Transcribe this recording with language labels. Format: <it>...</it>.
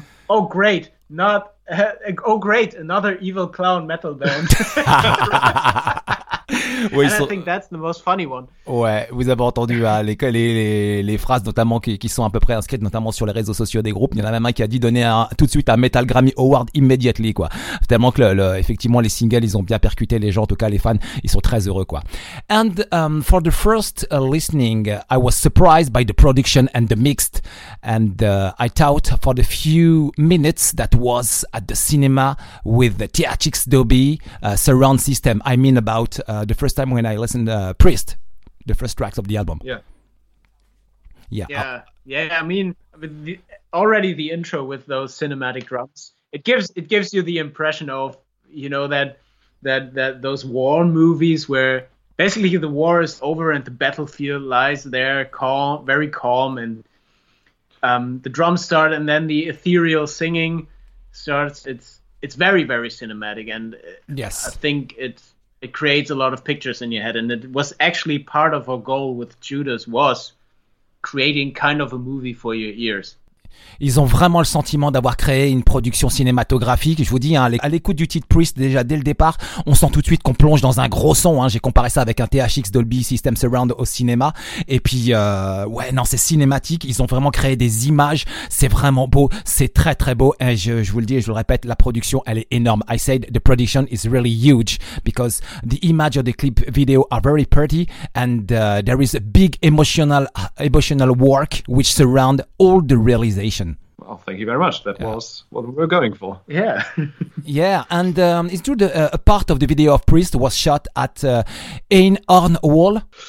<en>Oh great, another evil clown metal band. Oui, and I think that's the most funny one.</en> <fr>Ouais, vous avez entendu, hein, les phrases notamment qui sont à peu près inscrites notamment sur les réseaux sociaux des groupes. Il y en a même un qui a dit donner tout de suite un Metal Grammy Award immediately quoi. Tellement que effectivement les singles ils ont bien percuté les gens, en tout cas les fans, ils sont très heureux quoi.</fr> <en>And for the first listening, I was surprised by the production and the mix, and I thought for the few minutes that was at the cinema with the THX Dolby surround system. I mean about the first time when I listened to Priest, the first tracks of the album. I mean, already the intro with those cinematic drums, it gives you the impression of, you know, that those war movies where basically the war is over and the battlefield lies there calm, very calm, and the drums start and then the ethereal singing starts. It's very, very cinematic, and yes, I think it creates a lot of pictures in your head, and it was actually part of our goal with Judas, was creating kind of a movie for your ears.</en> <fr>Ils ont vraiment le sentiment d'avoir créé une production cinématographique. Je vous dis, hein, à l'écoute du titre Priest, déjà dès le départ, on sent tout de suite qu'on plonge dans un gros son, hein. J'ai comparé ça avec un THX Dolby System Surround au cinéma. Et puis, c'est cinématique. Ils ont vraiment créé des images. C'est vraiment beau. C'est très, très beau. Et je vous le dis et je vous le répète, la production, elle est énorme.</fr> <en>I said the production is really huge because the image of the clip video are very pretty and there is a big emotional work which surround all the really. Well, thank you very much. That was what we were going for. Yeah. Yeah, and is true that a part of the video of Priest was shot at Einhorn Wall?</en>